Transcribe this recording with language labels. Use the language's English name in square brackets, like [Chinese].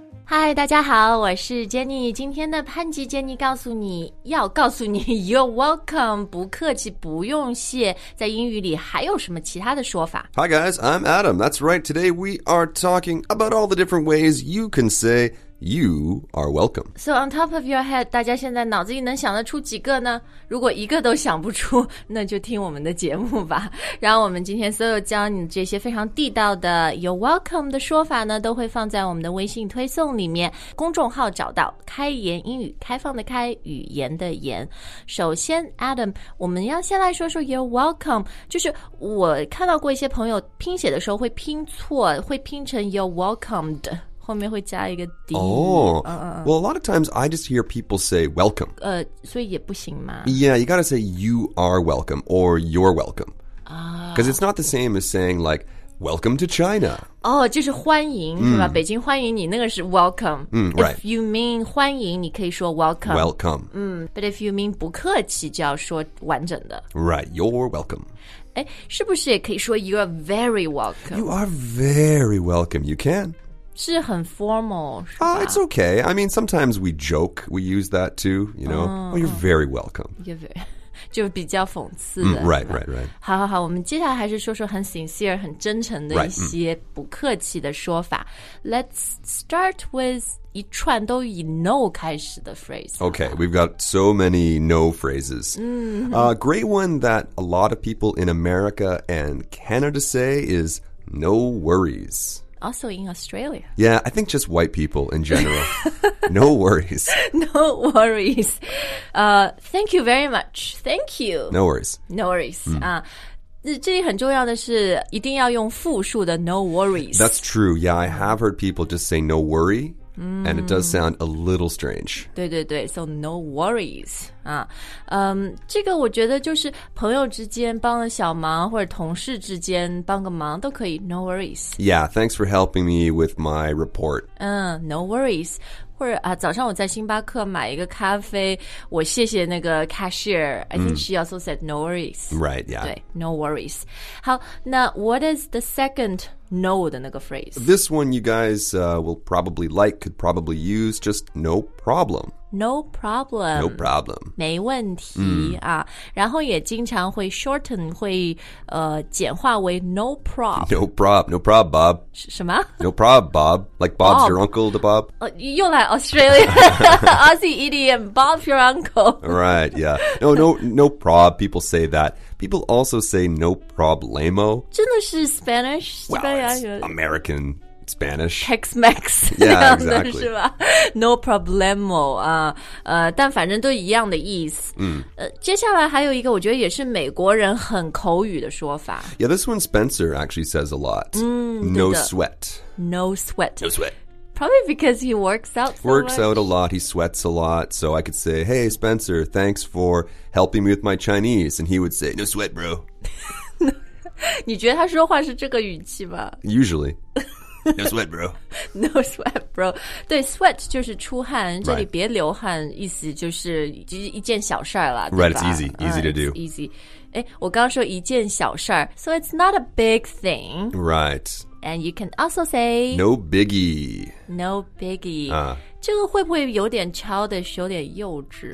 [Chinese] 嗨，大家好，我是 Jenny。今天的潘吉 Jenny 告诉你 ， [English] You're welcome， [Chinese] 不客气，不用谢。在英语里还有什么其他的说法 [English] ？Hi guys, I'm Adam. That's right. Today we are talking about all the different ways you can say you are welcome. So on top of your head, [Chinese] 大家现在脑子里能想得出几个呢？如果一个都想不出，那就听我们的节目吧。然后我们今天所有教你这些非常地道的 [English] You're welcome [Chinese] 的说法呢，都会放在我们的微信推送里面，公众号找到开言英语，开放的开，语言的言。首先 Adam， 我们要先来说说 [English] You're welcome， [Chinese] 就是我看到过一些朋友拼写的时候会拼错，会拼成 [English] You're welcomed， [Chinese] 后面会加一个 D。 [English] Well, a lot of times I just hear people say welcome. [Chinese] 所以也不行嘛。 [English] Yeah, you gotta say you are welcome or you're welcome. Because it's not the same as saying like, welcome to China. [Chinese] 就是欢迎是吧？北京欢迎你，那个是 welcome. [English] Right. If you mean 欢迎， [Chinese] 你可以说 [English] welcome. Welcome. But if you mean [Chinese] 不客气，就要说完整的。 [English] Right, you're welcome. [Chinese] 是不是也可以说 [English] you are very welcome? You are very welcome, you can. [Chinese] 是很 formal, 是吧? [English] It's okay. I mean, sometimes we joke. We use that too, you know. Oh, you're very welcome. You're very, [Chinese] 就比较讽刺的。 [English] Right, right, right. [Chinese] 好好好，我们接下来还是说说很 sincere, 很真诚的一些 [English] right, [Chinese] 不客气的说法。 [English] Let's start with [Chinese] 一串都以 no 开始的 phrase. [English] Okay, we've got so many no phrases. A great one that a lot of people in America and Canada say is no worries. Also in Australia. Yeah, I think just white people in general. No worries. No worries. Thank you very much. Thank you. No worries. No worries. [Chinese] 这里很重要的是一定要用复数的 [English] no worries. That's true. Yeah, I have heard people just say no worry. And it does sound a little strange. [Chinese] 对对对 [English] so no worries. [Chinese] 这个我觉得就是朋友之间帮了小忙或者同事之间帮个忙都可以 [English] no worries. Yeah, thanks for helping me with my report. No worries. [Chinese] 或者早上我在星巴克买一个咖啡我谢谢那个 cashier. [English] I think she also said no worries. Right, yeah. [Chinese] 对 [English] no worries. [Chinese] 好那 [English] what is the second no [Chinese] 的那个 phrase? [English] This one you guys will probably like, could probably use, just no problem. No problem. No problem. [Chinese] 没问题、然后也经常会 shorten, 会简化为 [English] no prob. No prob, no prob, Bob. [Chinese] 什么 [English] No prob, Bob. Like Bob's your uncle, the Bob. [Chinese] 又来 Australia. [English] Aussie idiom, Bob's your uncle. Right, yeah. No prob, people say that. People also say no problemo. 真的是 Spanish? Well, it's American. Spanish. Tex-Mex. Yeah, exactly. [Chinese] 是吧 [English] No problemo. [Chinese] 但反正都一样的意思。接下来还有一个我觉得也是美国人很口语的说法。 [English] Yeah, this one Spencer actually says a lot. No sweat. No sweat. No sweat. Probably because he works out so works much. Out a lot. He sweats a lot. So I could say, hey, Spencer, thanks for helping me with my Chinese. And he would say, no sweat, bro. [Chinese] 你觉得他说话是这个语气吗 [English] Usually. No sweat, bro. No sweat, bro. [Chinese] 对 ，sweat 就是出汗，这里别流汗，意思就是一件小事儿了。 [English] Right, it's easy to do. Easy. [Chinese] 哎，我刚刚说一件小事儿 ， [English] so it's not a big thing. Right. And you can also say no biggie. No biggie. [Chinese] 这个会不会有点 childish, 有点幼稚